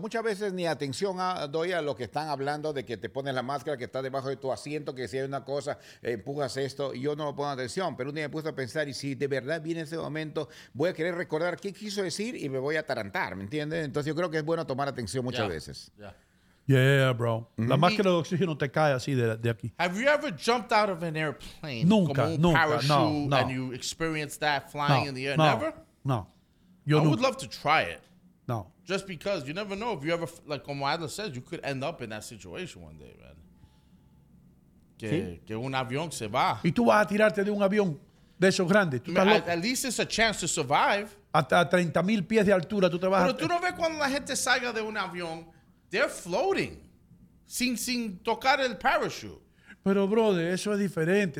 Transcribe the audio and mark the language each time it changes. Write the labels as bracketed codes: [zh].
[es] Muchas veces ni atención doy a lo que están hablando, de que te pones la máscara, que estás debajo de tu asiento, que si hay una cosa, empujas esto. Y yo no me pongo atención. Pero un día me puse a pensar, y si de verdad viene ese momento, voy a querer recordar qué quiso decir y me voy a atarantar, ¿me entiendes? Entonces yo creo que es bueno tomar atención muchas veces. [en] Yeah, bro. Mm-hmm. [es] La máscara de oxígeno te cae así de aquí. [en] Have you ever jumped out of an airplane? [es] Nunca, como un parachute, no. [en] And you experienced that flying in the air? Never? [es] No. [en] Would love to try it. [es] No. [en] Just because you never know if you ever, like como Adler says, you could end up in that situation one day, man. [es] Que un avión se va. Y tú vas a tirarte de un avión de esos grandes. ¿Tú estás loco? [en] At least it's a chance to survive. [es] Hasta 30,000 pies de altura tú te vas. Pero tú no ves cuando la gente salga de un avión, [en] they're floating [es] sin tocar el parachute. Pero, brother, eso es diferente.